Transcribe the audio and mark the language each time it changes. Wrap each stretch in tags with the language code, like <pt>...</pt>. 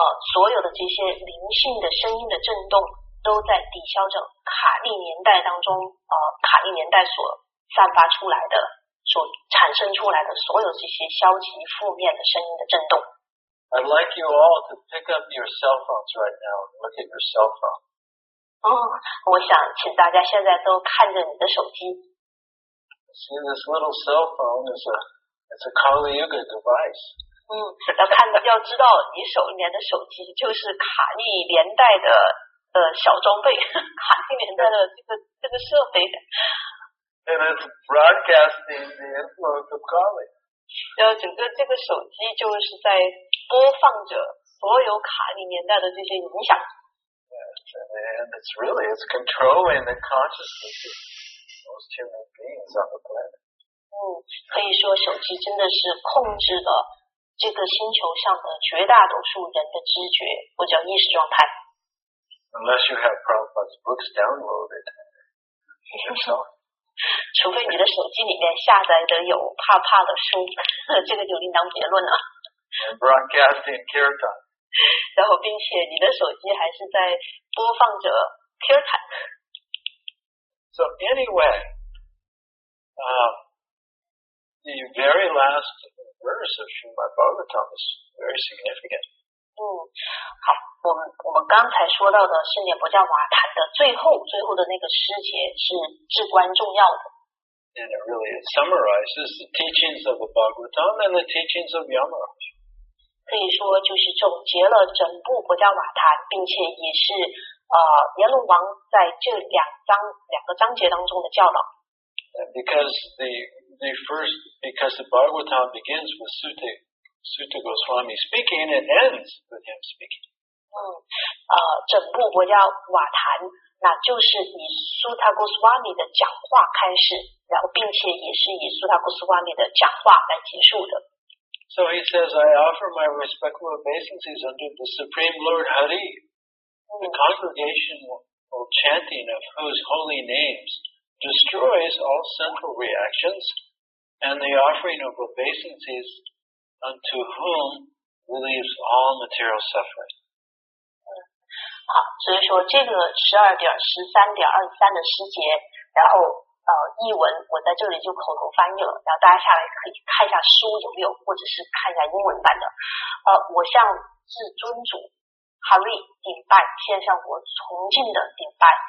<zh>所有的这些灵性的声音的震动都在抵消着卡利年代当中卡利年代所散发出来的所产生出来的所有这些消极负面的声音的震动。</zh> <en>I'd like you all to pick up your cell phones right now and look at your cell phone.</en> <zh>我想请大家现在都看着你的手机。</zh> <en>See this little cell phone is a Kali Yuga device.</en> <zh>要知道你手里面的手机就是卡利年代的小装备，卡利年代的这个设备。</zh> <en>And it's broadcasting the influence of Kali.</en> <zh>然后整个这个手机就是在播放着所有卡利年代的这些影响。</zh> <en>And it's really, it's controlling the consciousness of most human beings on the planet.</en> <zh>可以说手机真的是控制了这个星球上的绝大多数人的知觉或者意识状态。</zh> <en>Unless you have Prabhupada's books downloaded. So,</en> <zh>除非你的手机里面下载的有帕帕的书，这个就另当别论了。</zh> <en>Broadcasting Kirtan.</en> <zh>然后并且你的手机还是在播放着 Kirtan。</zh> <en>So anyway, the very last verse of Srimad Bhagavatam is very significant.</en> <zh>好，我们刚才说到的是念佛教瓦坛的最后的那个诗节是至关重要的。</zh> <en>And it really summarizes the teachings of the Bhagavatam and the teachings of Yamaraj.</en> <zh>可以说就是总结了整部《国家瓦坛》，并且也是阎罗王在这两个章节当中的教导。</zh> <en>Because the Bhagavatam begins with Sutta Goswami speaking and ends with him speaking.</en> <zh>整部《国家瓦坛》那就是以 Sutta Goswami 的讲话开始，然后并且也是以 Sutta Goswami 的讲话来结束的。</zh> <en>So he says, I offer my respectful obeisances unto the Supreme Lord Hari, the congregation or chanting of whose holy names destroys all sinful reactions, and the offering of obeisances unto whom relieves all material suffering.</en> <zh>好，所以说这个12:13:23的诗节，然后译文我在这里就口头翻译了，然后大家下来可以看一下书有没有，或者是看一下英文版的。我向至尊主 Hari 顶拜，献上我崇敬的顶拜。</zh>